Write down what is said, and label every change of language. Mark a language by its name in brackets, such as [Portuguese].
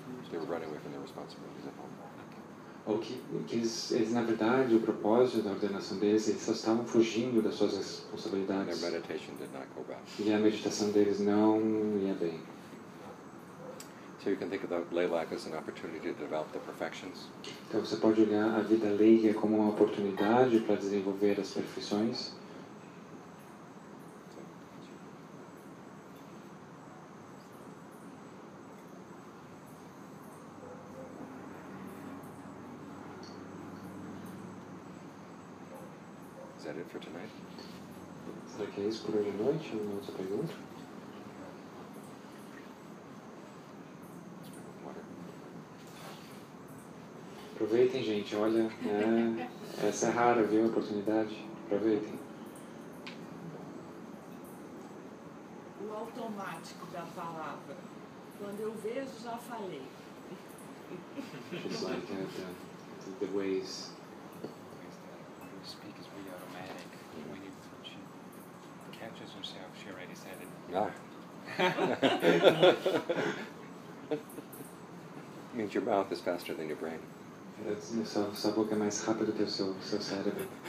[English] They were running away from their responsibilities at home. [Portuguese] Ou que eles, na verdade, o propósito da ordenação deles, eles só estavam fugindo das suas responsabilidades. [English] Their meditation did not go well. [Portuguese] E a meditação deles não ia bem. [English] So you can think of the lay lack as an opportunity to develop the perfections. [Portuguese] Então você pode olhar a vida leiga como uma oportunidade para desenvolver as perfeições. [English] Is that it for tonight? [Portuguese] Será que é isso por hoje à noite? Uma outra pergunta? Aproveitem, gente. Olha, essa é rara, viu? Oportunidade. Aproveitem. O automático da palavra. Quando eu vejo, já falei. [English] Just like the ways. You speak is pretty automatic. When she catches herself, she already said it. Yeah. It means your mouth is faster than your brain. [Portuguese] Sua boca é mais rápida que o seu cérebro.